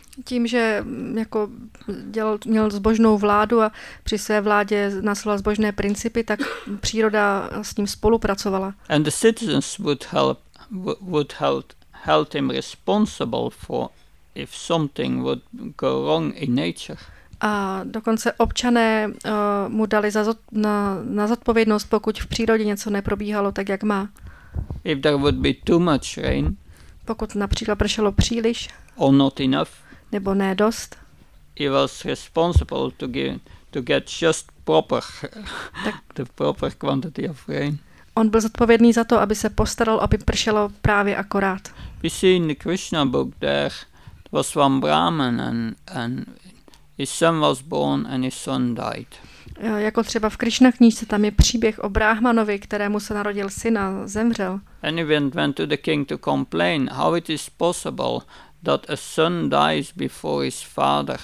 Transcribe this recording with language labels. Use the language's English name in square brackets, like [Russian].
[Czech] Tím, že jako měl zbožnou vládu a při své vládě nasloval zbožné principy, tak příroda s ním spolupracovala. [English] And the citizens would help him responsible for if something would go wrong in nature. [Czech] A dokonce občané mu dali na zodpovědnost, pokud v přírodě něco neprobíhalo tak, jak má. [English] If there would be too much rain. [Czech] Pokud například pršelo příliš. [English] Or not enough. [Czech] Nebo ne dost. [English] He was responsible to get just proper the proper quantity of rain. [Czech] On byl zodpovědný za to, aby se postaral, aby pršelo právě akorát. [English] We see in the Krishna book there was one Brahman and his son was born and his son died. [Czech] Jako třeba v Krišna knížce, tam je příběh o Brahmanovi, kterému se narodil syn a zemřel. [English] And he went to the king to complain how it is possible that a son dies before his father.